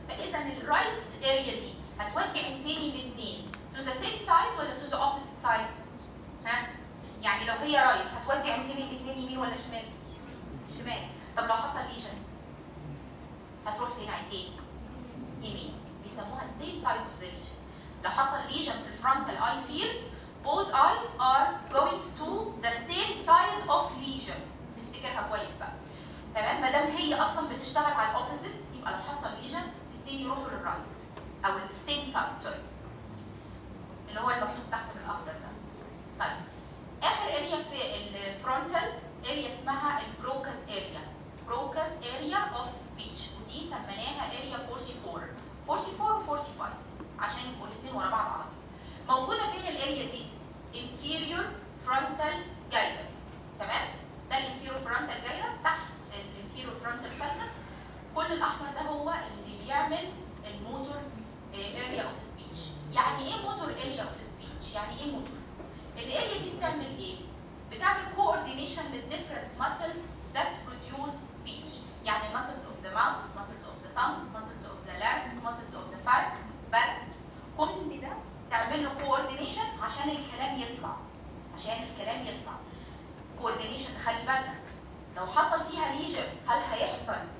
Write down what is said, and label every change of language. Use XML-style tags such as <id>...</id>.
<ar>فاذا الرايت اريا دي هتودي عين تاني الاثنين تو ذا سيم سايد ولا تو ذا اوبوزيت سايد؟ ها؟ يعني لو هي رايت هتودي عين تاني الاثنين يمين ولا شمال؟ شمال. طب لو حصل ليجن هتروح فين عينتين؟ يمين.</ar> <en>بيسموها السيم side of the lesion.</en> <ar>لو حصل</ar> <en>Lesion في الفرونتال eye field both eyes are going to the same side of lesion.</en> <ar>نفتكرها كويس بقى. تمام؟ ما دام هي اصلا بتشتغل على الاوبوزيت يبقى لو حصل ليجن الاثنين يروحوا للرايت او السيم سايد، سوري. اللي هو المكتوب تحت بالاخضر ده. طيب اخر اريا في الفرونتال اريا اسمها البروكاس اريا. بروكاس اريا اوف سبيتش ودي سميناها اريا 44 و 45 عشان يبقوا الاثنين ورا بعض على موجوده فين الاريا دي؟ inferior frontal gyrus. تمام؟ ده</ar> <en>inferior frontal gyrus تحت inferior frontal sinus.</en> <ar>كل الاحمر ده هو اللي بيعمل الموتور area of speech. يعني ايه موتور area of speech؟ يعني ايه موتور؟ الاريا دي بتعمل ايه؟ بتعمل coordination لل</ar> <en>different muscles that produce speech. يعني muscles of the mouth, muscles of the tongue, muscles of the larynx, muscles of the pharynx, but</en> <ar>كل ده تعمل له كوردينيشن عشان الكلام يطلع،</ar> <en>عشان الكلام يطلع.</en> <ar>كوردينيشن خلي بالك لو حصل فيها ليجن هل هيحصل</ar>